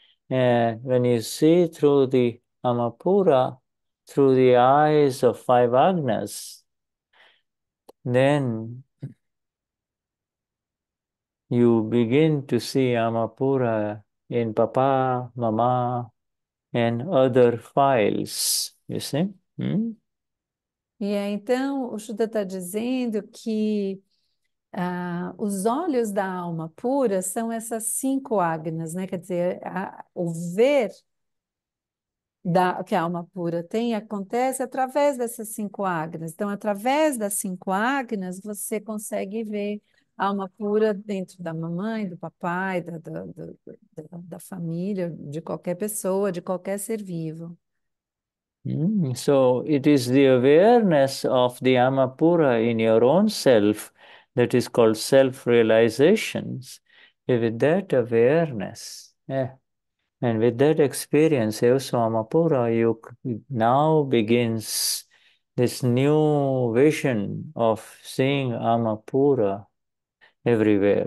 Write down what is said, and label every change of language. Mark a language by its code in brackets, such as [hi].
[en] And when you see through the Amapura, through the eyes of five agnas, then you begin to see Amapura in papa, mama, and other files, you see. [pt] E é, então o Shuddha está dizendo que os olhos da alma pura são essas cinco agnas, né? Quer dizer, o ver que a alma pura tem acontece através dessas cinco agnas. Então, através das cinco agnas, você consegue ver a alma pura dentro da mamãe, do papai, da família, de qualquer pessoa, de qualquer ser vivo. [en] So it is the awareness of the Amapura in your own self that is called self-realizations. With that awareness, and with that experience, also Amapura, you now begins this new vision of seeing Amapura everywhere,